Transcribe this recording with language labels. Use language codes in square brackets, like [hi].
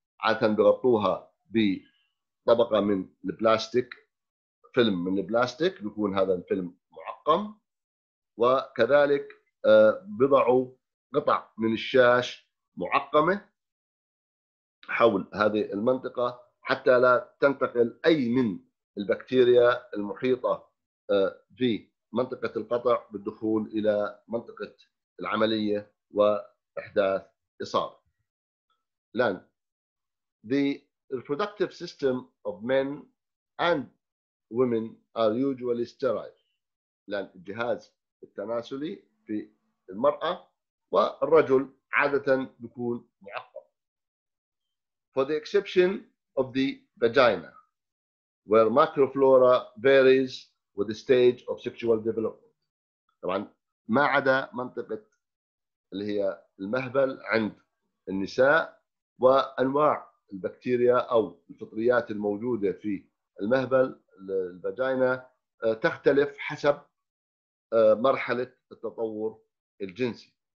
[ar] عادة بغطوها بطبقة من البلاستيك، فيلم من البلاستيك بيكون هذا الفيلم معقم، وكذلك بضعوا قطع من الشاش معقمة حول هذه المنطقة حتى لا تنتقل أي من البكتيريا المحيطة في منطقة القطع بالدخول إلى منطقة العملية وإحداث إصابة. الآن [en] The reproductive system of men and women are usually sterile. [ar] لأن الجهاز التناسلي في المرأة والرجل عادة بيكون معقم. [en] For the exception of the vagina, where microflora varies with the stage of sexual development. [ar] طبعاً ما عدا منطقة اللي هي المهبل عند النساء وأنواع البكتيريا أو الفطريات الموجودة في المهبل الفاجينا تختلف حسب مرحلة التطور الجنسي.